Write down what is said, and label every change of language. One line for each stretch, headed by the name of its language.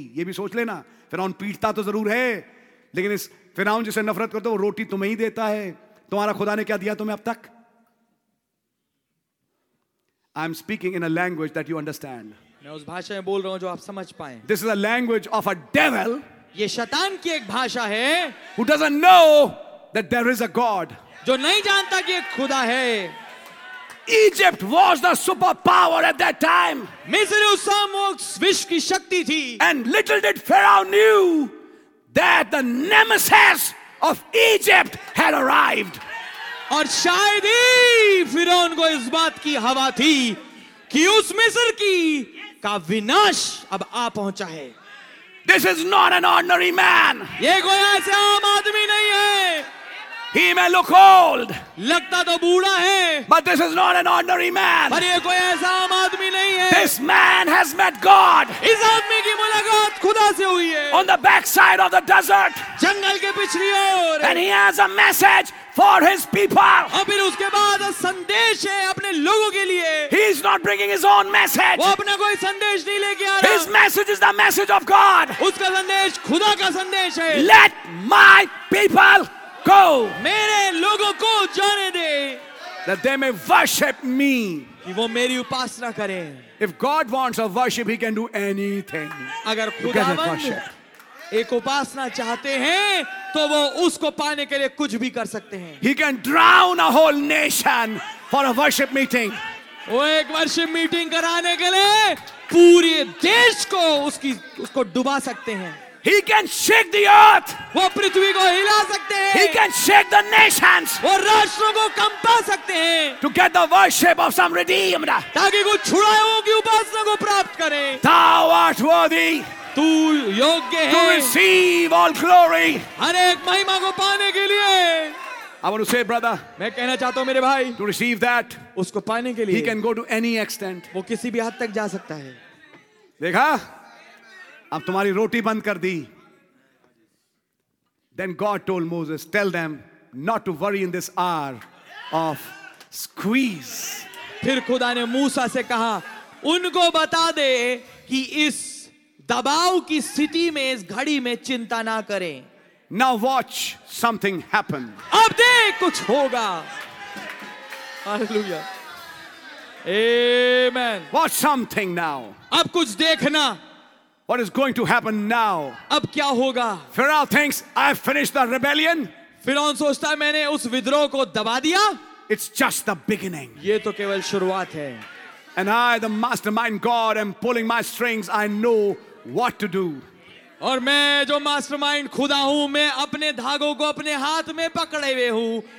Hindi: ये भी सोच लेना, फिरौन पीटता तो जरूर है, लेकिन इस फिरौन जिसे नफरत करते हो, रोटी तुम्हें ही देता है. तुम्हारा खुदा ने क्या दिया तुम्हें अब तक?
English: I am speaking in a language that you understand.
Hindi: मैं उस भाषा में बोल रहा हूं जो आप समझ पाए.
English: This is a language of a devil.
Hindi: ये शैतान की एक भाषा है.
English: Who doesn't know that there is a God.
Hindi: जो नहीं जानता कि एक खुदा है.
English: Egypt was the superpower at that time.
Hindi: मिस्र उस समय विश्व की शक्ति थी.
English: And little did Pharaoh knew that the nemesis of Egypt had arrived.
Hindi: और शायद ही फिरौन को इस बात की हवा थी कि उस मिस्र की का विनाश अब आ पहुंचा है.
English: This is not an ordinary man.
Hindi: ये कोई ऐसे आम आदमी नहीं है.
English: He may look old.
Hindi: लगता तो बूढ़ा है.
English: But this is not an ordinary man.
Hindi: पर ये कोई ऐसा आम आदमी नहीं है.
English: This man has met God.
Hindi: इस आदमी की मुलाकात खुदा से हुई है.
English: On the backside of the desert.
Hindi: जंगल के पिछली ओर.
English: And he has a message for his people.
Hindi: और फिर उसके बाद संदेश है अपने लोगों के लिए.
English: He is not bringing his own message.
Hindi: वो अपना कोई संदेश नहीं लेके आ रहा.
English: His message is the message of God.
Hindi: उसका संदेश खुदा का संदेश है.
English: Let my people. Go.
Hindi: मेरे लोगों को जाने दे.
English: That they may worship me.
Hindi: कि वो मेरी उपासना करें.
English: If God wants a worship, He can do anything.
Hindi: अगर खुदावंद एक उपासना चाहते हैं, तो वो उसको पाने के लिए कुछ भी कर सकते हैं.
English: He can drown a whole nation for a worship meeting.
Hindi: वो एक
English: worship meeting
Hindi: कराने के लिए पूरे देश को उसकी उसको डुबा सकते हैं.
English: He can shake the earth.
Hindi: वो पृथ्वी को हिला सकते हैं.
English: He can shake the nations.
Hindi: वो राष्ट्रों को कंपा सकते हैं.
English: To get the worship of some redeemed.
Hindi: ताकि कुछ छुड़ाओं की उपासना को प्राप्त करें.
English: Thou art worthy.
Hindi: तू योग्य है.
English: To receive all glory.
Hindi: अनेक महिमा को पाने के लिए.
English: I want to say, brother.
Hindi: मैं कहना चाहता हूँ मेरे भाई.
English: To receive that.
Hindi: उसको पाने के लिए.
English: He can go to any extent.
Hindi: वो किसी भी हद तक जा सकता है. देखा? अब तुम्हारी रोटी बंद कर दी.
English: Then God told Moses, tell them not to worry in this hour of squeeze.
Hindi: फिर खुदा ने मूसा से कहा, उनको बता दे कि इस दबाव की स्थिति में, इस घड़ी में चिंता ना करें.
English: Now watch something happen.
Hindi: अब देख कुछ होगा. Hallelujah.
English: Amen. Watch something now.
Hindi: अब कुछ देखना.
English: What is going to happen now?
Hindi: अब क्या होगा?
English: Pharaoh thinks I've finished the rebellion.
Hindi: फिरौन सोचता है मैंने उस विद्रोह को दबा दिया.
English: It's just the beginning.
Hindi: ये तो केवल शुरुआत है.
English: And I, the mastermind God, am pulling my strings. I know what to do.
Hindi: और मैं जो मास्टरमाइंड खुदा हूँ, मैं अपने धागों को अपने हाथ में पकड़े हुए हूँ.